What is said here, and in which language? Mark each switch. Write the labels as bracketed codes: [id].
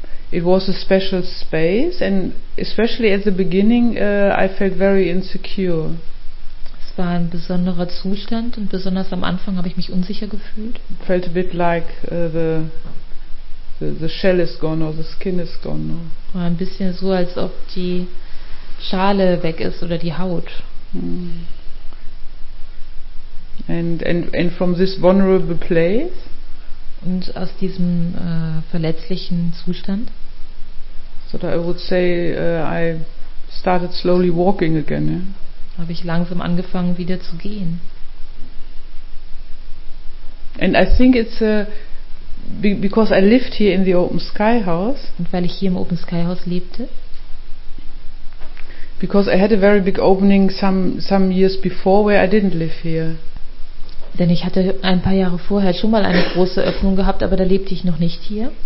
[en] It was a special space, and especially at the beginning, I felt very insecure. [de] Es war ein besonderer Zustand, und besonders am Anfang habe ich mich unsicher gefühlt. [en] It felt a bit like the shell is gone or the skin is gone. Or [de] war ein bisschen so, als ob die Schale weg ist oder die Haut. [en] And from this vulnerable place. [de] Und aus diesem verletzlichen Zustand. [en] So that I would say I started slowly walking again. Yeah? [de] Habe ich langsam angefangen wieder zu gehen. [en] And I think it's because I lived here in the Open Sky House. [de] Und weil ich hier im Open Sky House lebte. [en] Because I had a very big opening some years before where I didn't live here. [de] Denn ich hatte ein paar Jahre vorher schon mal eine große Öffnung gehabt, aber da lebte ich noch nicht hier.